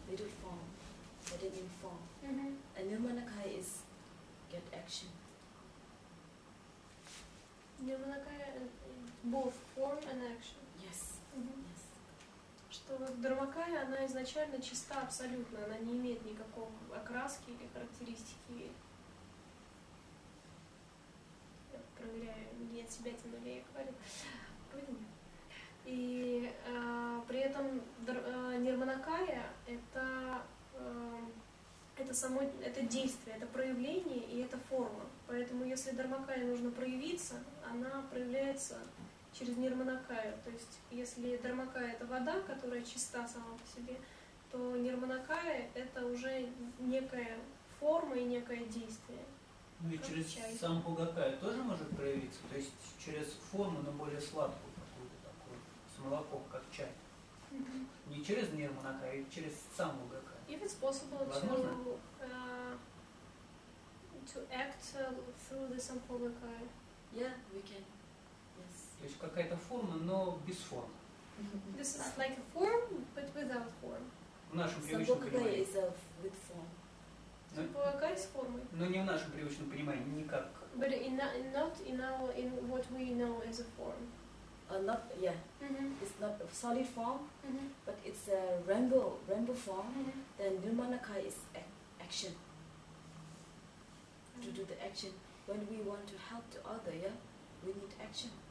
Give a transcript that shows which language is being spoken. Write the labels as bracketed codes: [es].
[en] little form, getting in form. Mm-hmm. And Nirmanakaya is get action. Nirmanakaya is both form and action. Yes. Mm-hmm. Yes. [ru] Что Дармакая, она изначально чиста абсолютно, она не имеет никакого окраски или характеристики. Я проверяю, не от себя тем более я говорю. И при этом Нирманакая — это это само, это действие, это проявление и это форма. Поэтому если дармакая нужно проявиться, она проявляется через нирманакаю. То есть если дармакая — это вода, которая чиста сама по себе, то нирманакая — это уже некая форма и некое действие. Ну и через самбхугакая тоже может проявиться, то есть через форму, но более сладкую какую-то такую, с молоком, как чай. Не через нирманакая, а через самбхугакая. [en] If it's possible to act through the sambhugakaya. Yeah, we can. Yes. [ru] То есть какая-то форма, но без формы. [en] This is like a form, but without form. [ru] В нашем привычном понимании. [en] Sambhugakaya with form. [ru] Самбхугакая с формой. Но не в нашем привычном понимании, никак. [en] But not in what we know as a form. It's not a solid form, but it's a rainbow form. Then nirmanakaya is action. To do the action. When we want to help the other, yeah, we need action.